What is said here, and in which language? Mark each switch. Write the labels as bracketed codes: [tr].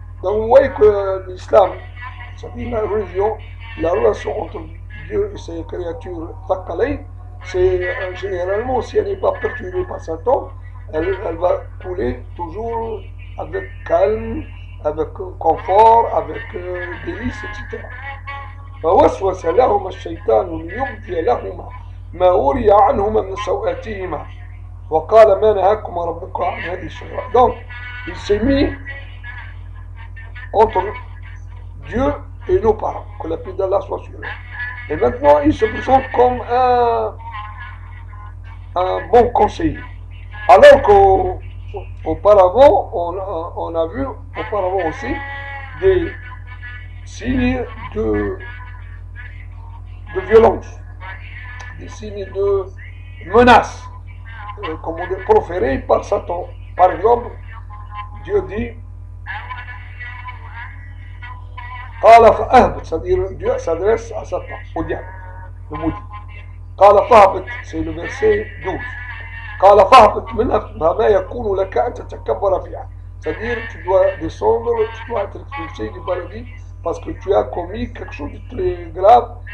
[fr] Donc vous voyez que l'islam, c'est-à-dire la religion, la relation entre Dieu et ses créatures, Fakalei, c'est généralement, si elle n'est pas perturbée par Satan, elle va couler toujours avec calme, avec confort, avec délice, etc. [ar] فوسوس لهما الشيطان ليبدي لهما ما وري عنهما من سوءاتهما وقال ما نهاكما ربكم عن هذه الشجرة. [fr] Donc il s'est mis entre Dieu et nos parents, que la paix d'Allah soit sur eux. Et maintenant il se présente comme un bon conseiller. Alors qu'auparavant, on a vu auparavant aussi des signes de violence, des signes de menace, comme on dit, proférés par Satan. Par exemple, Dieu dit, [ar] Qala fa'ahbit, [fr] c'est-à-dire Dieu s'adresse à Satan, au diable, le maudit. [ar] Qala fa'ahbit, [fr] c'est le verset 12. [ar] قال فاهبط منها ما يكون لك ان تتكبر فيها. [fr] C'est-à-dire, tu dois descendre, tu dois être expulsé du paradis parce que tu as commis quelque chose de très grave.